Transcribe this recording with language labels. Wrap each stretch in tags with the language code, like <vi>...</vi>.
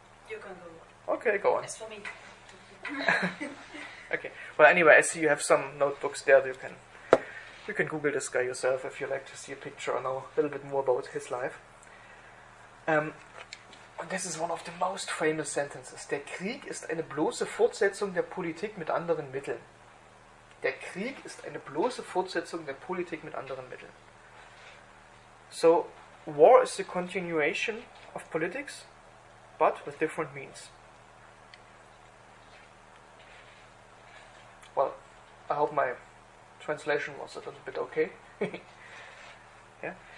<en>You can go on. Okay, go on. It's for me. Okay. Well, anyway, I see you have some notebooks there. You can Google this guy yourself if you'd like to see a picture or know a little bit more about his life. This is one of the most famous sentences.</en> <de>Der Krieg ist eine bloße Fortsetzung der Politik mit anderen Mitteln. Der Krieg ist eine bloße Fortsetzung der Politik mit anderen Mitteln.</de> <en>So, war is the continuation of politics, but with different means. Well, I hope my translation was a little bit okay. Yeah.</en>